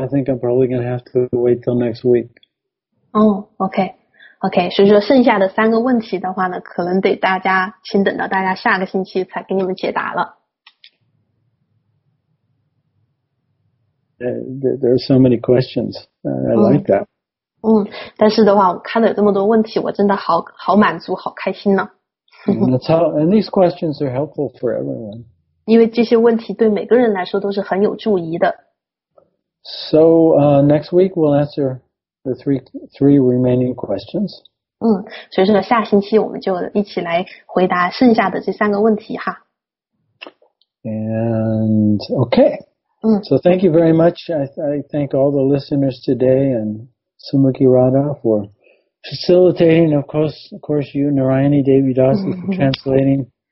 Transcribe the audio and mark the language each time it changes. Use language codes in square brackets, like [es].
[en] I think I'm probably going to have to wait till next week. Oh, okay. [zh] Okay, 所以说剩下的三个问题的话呢，可能得大家请等到大家下个星期才给你们解答了。 [en] There are so many questions. I like that. [zh] 但是的话，我看到有这么多问题，我真的好满足，好开心呢。 [en] And these questions are helpful for everyone. [zh] 因为这些问题对每个人来说都是很有助益的。 [en] So, next week we'll answer... The three remaining questions. [zh] 所以说下星期我们就一起来回答剩下的这三个问题哈。 [en] And okay. So thank you very much. I thank all the listeners today and Sumukhi Radha for facilitating. Of course, you Narayani Devi Dasi for translating.